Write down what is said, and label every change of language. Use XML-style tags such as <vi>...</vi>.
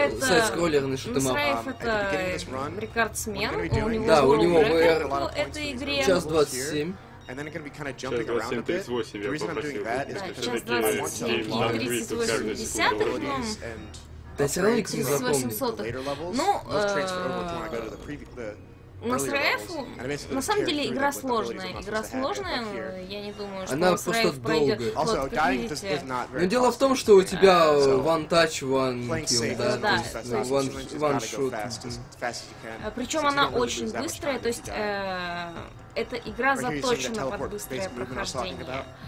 <ru>сайд-скроллерный шутэмап. Мусраев это рекордсмен, у него VR по этой игре. Час 27.</ru> <en>And then it's going to be kind of jumping around a bit. The reason I'm doing that is because the game wants to be long for 30-80 abilities and upgrades to the later levels. Those transfer over to when I go to the previous...</en> <ru>Мусраэфу, на самом деле, игра сложная. Игра сложная, я не думаю, что Мусраэф пройдёт. Она просто долгая. Но дело в том, что у тебя</ru> <en>one touch, one kill,</en> <ru>да?</ru> <en>One shot.</en> <ru>Причём она очень быстрая, то есть эта игра заточена под быстрое прохождение.</ru>